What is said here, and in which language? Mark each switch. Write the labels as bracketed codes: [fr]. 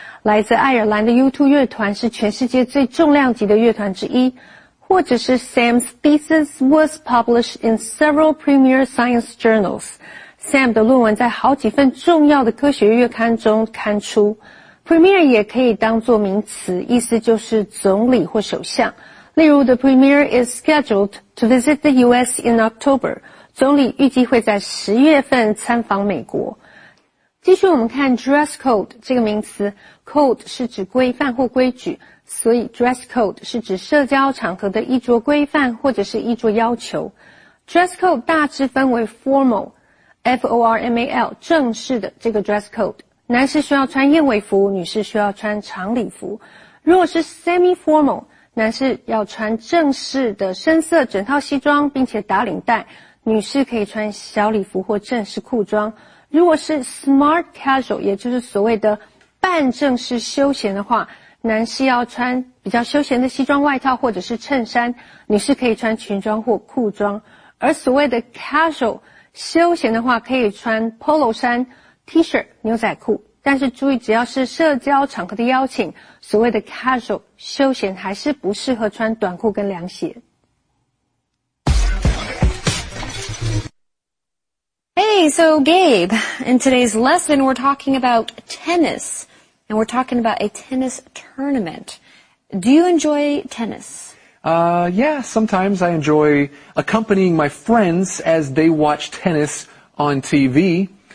[zh] 来自爱尔兰的 U2 乐团是全世界最重量级的乐团之一。或者是 [en] Sam's thesis was published in several premier science journals. [zh] Sam 的论文在好几份重要的科学月刊中刊出。 Premier 也可以当作名词，意思就是总理或首相。例如 [en] The Premier is scheduled to visit the US in October. [zh] 总理预计会在10月份参访美国。继续我们看 dress code 这个名词， code 是指规范或规矩，所以 dress code 是指社交场合的衣着规范或者是衣着要求。 dress code 大致分为 formal F-O-R-M-A-L 正式的这个 dress code， 男士需要穿燕尾服，女士需要穿长礼服。如果是 semi-formal， 男士要穿正式的深色整套西装并且打领带，女士可以穿小礼服或正式裤装。如果是 smart casual， 也就是所谓的半正式休闲的话，男士要穿比较休闲的西装外套或者是衬衫，女士可以穿裙装或裤装。而所谓的 casual 休闲的话，可以穿 polo 衫、 T-shirt 牛仔裤。但是注意，只要是社交场合的邀请，所谓的 casual 休闲还是不适合穿短裤跟凉鞋。 [en] Hey, so Gabe, in today's lesson we're talking about tennis. And we're talking about a tennis tournament. Do you enjoy tennis? Yeah, sometimes I enjoy accompanying my friends as they watch tennis on TV.